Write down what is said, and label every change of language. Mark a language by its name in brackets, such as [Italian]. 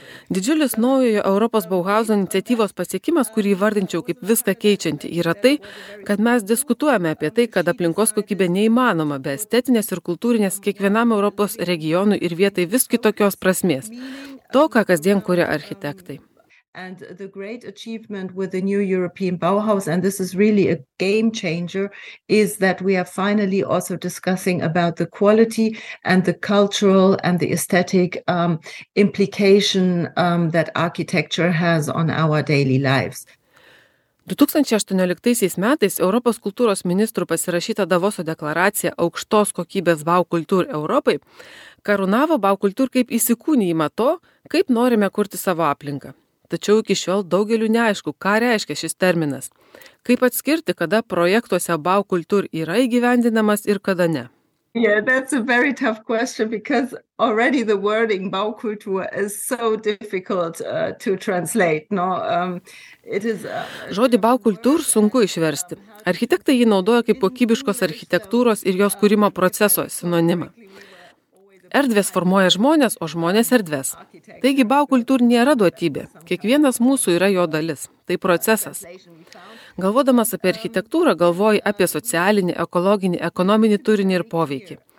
[Lithuanian] Didžiulis naujojo Europos Bauhauso iniciatyvos pasiekimas, kurį vardinčiau kaip viską keičianti, yra tai, kad mes diskutuojame apie tai, kad aplinkos kokybė neįmanoma be estetinės ir kultūrinės kiekvienam Europos regionui ir vietai vis kitokios prasmės. To, ką kasdien kuria architektai. [English] And the great achievement with the new European Bauhaus, and this is really a game changer, is that we are finally also discussing about the quality and the cultural and the aesthetic implication that architecture has on our daily lives. [Lithuanian] 2018 metais Europos kultūros ministrų pasirašyta Davoso deklaracija aukštos kokybės Baukultur Europai karūnavo Baukultur kaip įsikūnijimą to, kaip norime kurti savo aplinką. Tačiau iki šiol daugeliu neaišku, ką reiškia šis terminas. Kaip atskirti, kada projektuose Baukultur yra įgyvendinamas ir kada ne? [English] Yeah, that's a very tough question because already the wording Baukultur is so difficult to translate. No, it is [Lithuanian] Žodį Baukultur sunku išversti. Architektai jį naudoja kaip kokybiškos architektūros ir jos kūrimo proceso sinonimą. Erdvės formuoja žmonės, o žmonės erdvės. Taigi Baukultur nėra duotybė. Kiekvienas mūsų yra jo dalis. Tai procesas. Galvodamas apie architektūrą, galvoji apie socialinį, ekologinį, ekonominį turinį ir poveikį.